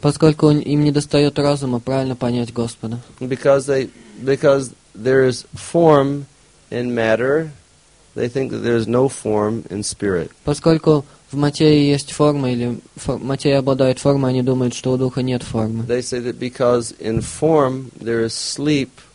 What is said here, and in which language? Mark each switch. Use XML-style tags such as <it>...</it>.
<ru>Поскольку им не достает разума правильно понять Господа.</ru> <en>Because there is form in matter, they think that there is no form in spirit.</en> <ru>Поскольку в материи есть форма или материя обладает формой, они думают, что у духа нет формы.</ru> <en>They say that because in form there is sleep,</en>